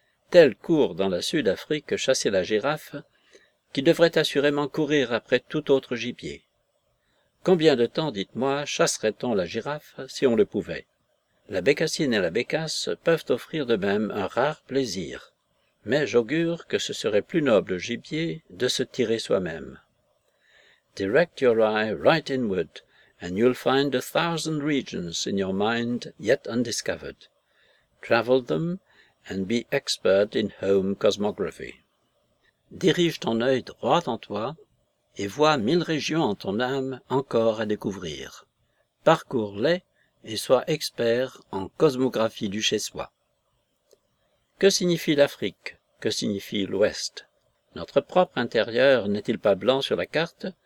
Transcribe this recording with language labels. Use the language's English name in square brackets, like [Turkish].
[French] Tel court dans la Sud-Afrique chasser la girafe qui devrait assurément courir après tout autre gibier. Combien de temps, dites-moi, chasserait-on la girafe si on le pouvait? La bécassine et la bécasse peuvent offrir de même un rare plaisir, mais j'augure que ce serait plus noble gibier de se tirer soi-même. [English] Direct your eye right inward, and you'll find a thousand regions in your mind yet undiscovered. Travel them, and be expert in home cosmography. [French] Dirige ton œil droit en toi, et vois mille régions en ton âme encore à découvrir. Parcours-les, et sois expert en cosmographie du chez-soi. Que signifie l'Afrique? Que signifie l'Ouest? Notre propre intérieur n'est-il pas blanc sur la carte?